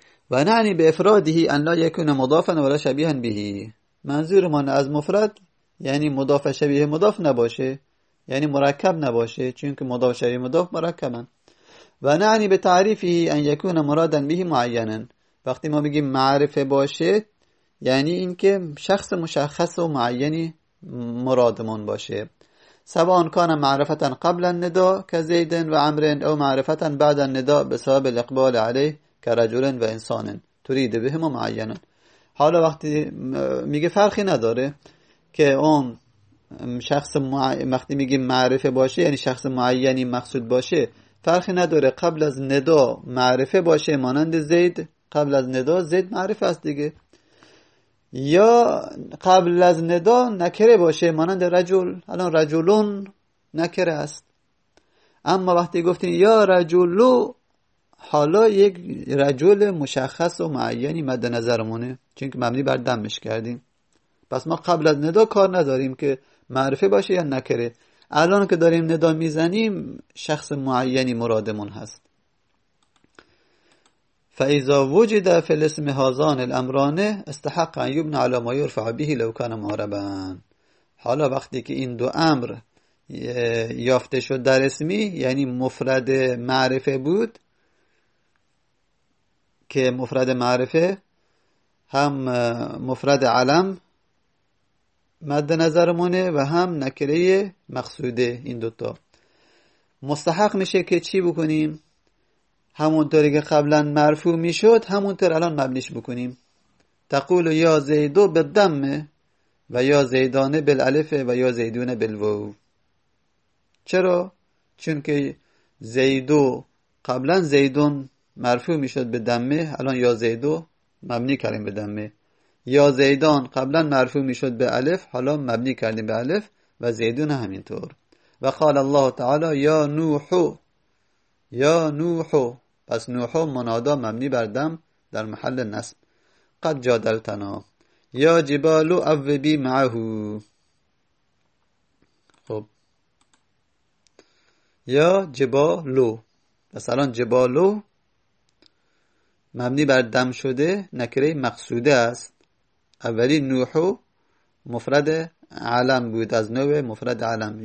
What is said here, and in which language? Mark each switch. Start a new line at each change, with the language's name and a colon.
Arabic: و نعنی به افرادهی ان لا یکون مضافن ولا شبیهن بهی،
Persian: منظور من از مفرد یعنی مضاف شبیه مضاف نباشه، یعنی مرکب نباشه، چون که مضاف شبیه مضاف مرکبن.
Arabic: و نعنی به تعریفی ان یکون مرادن بهی معینن،
Persian: وقتی ما بگیم معرفه باشه یعنی اینکه شخص مشخص و معینی مرادمون باشه.
Arabic: سواء کان معرفتا قبل النداء كزيد و عمرو او معرفتا بعد النداء بسبب الاقبال عليه كرجل و انسان تريد بهم معينا.
Persian: حالا وقتی میگه فرقی نداره که اون شخص وقتی میگه معرفه باشه یعنی شخص معینی مقصود باشه، فرقی نداره قبل از نداء معرفه باشه، مانند زید قبل از نداء زید معرفه است دیگه، یا قبل از ندا نکره باشه مانند رجل، الان رجلون نکره است. اما وقتی گفتین یا رجلو، حالا یک رجل مشخص و معینی مد نظرمونه، چون که مبنی بر دمش کردیم. پس ما قبل از ندا کار نداریم که معرفه باشه یا نکره، الان که داریم ندا میزنیم شخص معینی مرادمون هست.
Arabic: فإذا وجد في الاسم هذان الامران استحق ان يبنى على ما يرفع به لو كان معربا.
Persian: حالا وقتی که این دو امر یافته شد در اسمی، یعنی مفرد معرفه بود که مفرد معرفه هم مفرد علم مد نظرمونه و هم نکره مقصوده، این دوتا مستحق میشه که چی بکنیم؟ همونطوری که قبلا مرفوع میشد همونطور الان مبنیش بکنیم.
Arabic: تقول یا زیدو به دمه، و یا زیدانه بالالفه و یا زیدونه بالواو.
Persian: چرا؟ چون که زیدو قبلا زیدون مرفوع میشد به دمه، الان یا زیدو مبنی کردیم به دمه. یا زیدان قبلا مرفوع میشد به الف، حالا مبنی کردیم به الف و زیدون همینطور.
Arabic: و قال الله تعالی یا نوحو،
Persian: یا نوحو، پس نوحو منادا مبنی بر دم در محل نصب.
Arabic: قد جادلتنا یا جبالو عوبی معهو.
Persian: خب یا جبالو، پس الان جبالو مبنی بر دم شده نکره مقصوده است. اولی نوحو مفرد علم بود، از نوع مفرد علم.